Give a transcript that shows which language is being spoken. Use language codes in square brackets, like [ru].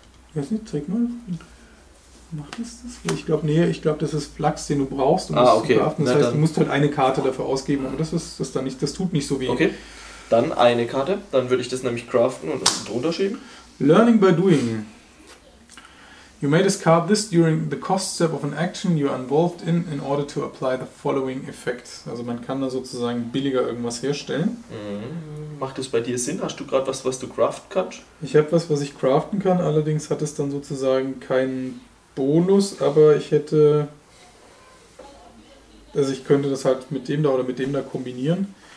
[de] Ich weiß nicht, zeig mal. Macht das das? Ich glaube, nee, ich glaube, das ist Flux, den du brauchst. Und okay. Das heißt, dann, du musst halt eine Karte dafür ausgeben. Und das ist das dann nicht. Das tut nicht so weh. Okay. Dann eine Karte. Dann würde ich das nämlich craften und das drunter schieben. [en] Learning by doing. You may discard this during the cost step of an action you are involved in order to apply the following effect. [de] Also man kann da sozusagen billiger irgendwas herstellen. Mhm. Macht das bei dir Sinn? Hast du gerade was, was du craften kannst? Ich habe was, was ich craften kann, allerdings hat es dann sozusagen keinen Bonus, aber ich hätte... Also ich könnte das halt mit dem da oder mit dem da kombinieren.